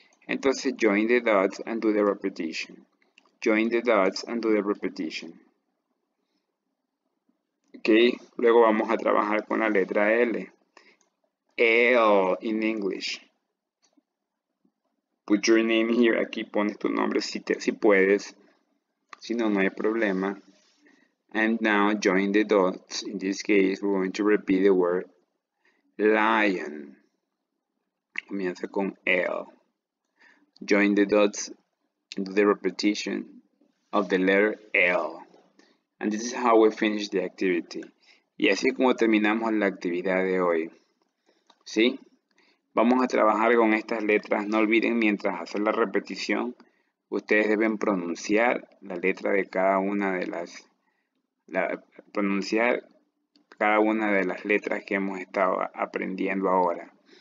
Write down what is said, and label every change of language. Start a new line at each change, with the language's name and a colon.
English: Entonces, join the dots and do the repetition. Join the dots and do the repetition.
Spanish: Okay, luego vamos a trabajar con la letra L.
English: L in English. Put your name here.
Spanish: Aquí pones tu nombre si puedes. Si no, no hay problema.
English: And now join the dots. In this case, we're going to repeat the word lion.
Spanish: Comienza con L.
English: Join the dots and do the repetition of the letter L. And this is how we finish the activity.
Spanish: Y así es como terminamos la actividad de hoy. ¿Sí? Vamos a trabajar con estas letras. No olviden, mientras hacen la repetición, ustedes deben pronunciar la letra de cada una de las. Pronunciar cada una de las letras que hemos estado aprendiendo ahora.